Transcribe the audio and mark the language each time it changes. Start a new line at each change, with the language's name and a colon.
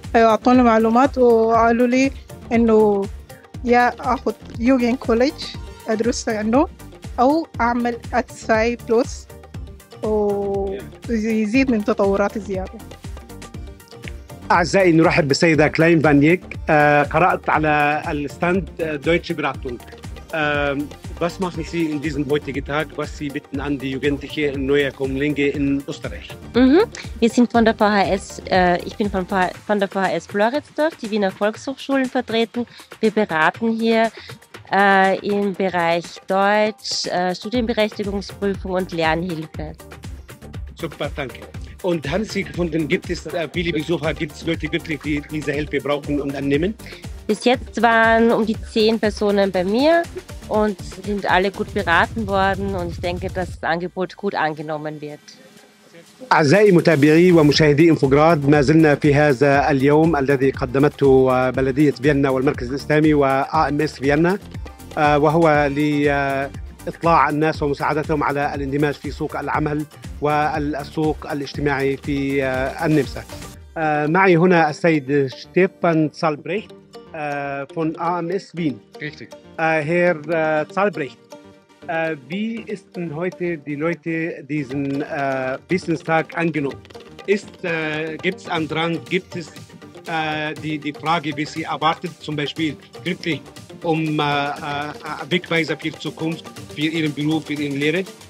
Arabic: أيوه أعطوني معلومات وقالوا لي إنه يا آخذ يوغين كوليدج أدرس عنه أو أعمل أتساي بلس ويزيد من تطورات زيادة. أعزائي نرحب بالسيدة كلاين فانيك قرأت على الستاند دويتش براتونغ.
German: Was machen Sie in diesem heutigen Tag? Was Sie bitten an die Jugendliche in Neuaakumlinge in Österreich? Mhm. Wir sind von der VHS, ich bin von der VHS Floridsdorf, die Wiener Volkshochschulen vertreten. Wir beraten hier im Bereich Deutsch, Studienberechtigungsprüfung und Lernhilfe. Super, danke. Und haben Sie gefunden, gibt es viele Besucher, gibt es Leute wirklich, die diese Hilfe brauchen und annehmen? Bis jetzt waren um die 10 Personen bei mir und sind alle gut beraten worden und ich denke, dass das Angebot gut angenommen wird. Sehr,
Arabic: أعزائي متابعي ومشاهدي إنفوجراد، ما زلنا في هذا اليوم الذي قدمته بلدية فيينا والمركز الإسلامي وآمس فيينا، وهو لإطلاع الناس ومساعدتهم على الاندماج في سوق العمل والسوق الاجتماعي في النمسا. معي هنا السيد ستيفان تسالبريخت فون آمس فيين. هير تسالبريخت.
German: Wie ist denn heute die Leute diesen Business-Tag angenommen? Gibt es einen Drang? Gibt es die Frage, wie sie erwartet, zum Beispiel wirklich um Wegweiser für die Zukunft, für ihren Beruf, für ihre Lehre?